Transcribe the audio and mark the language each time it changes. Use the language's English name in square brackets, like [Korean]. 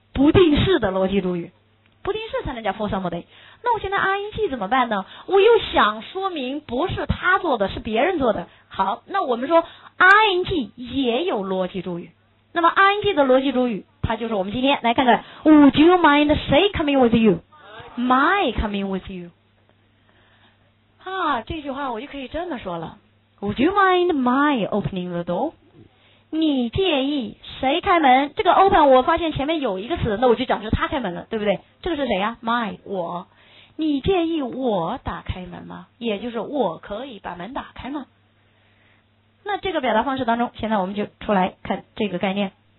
[Chinese] 不定式的逻辑主语，不定式才能叫 for somebody。那我现在 ing 怎么办呢？我又想说明不是他做的，是别人做的。好，那我们说 ing 也有逻辑主语，那么 ing 的逻辑主语它就是我们今天来看看 Would you mind 谁 coming with you? [English] My coming with you 啊，这句话我就可以这么说了， Would you mind my opening the door? [Chinese] 你介意谁开门？这个 open 我发现前面有一个词，那我就讲是他开门了，对不对？这个是谁呀？My 我。你介意我打开门吗？也就是我可以把门打开吗？那这个表达方式当中，现在我们就出来看这个概念。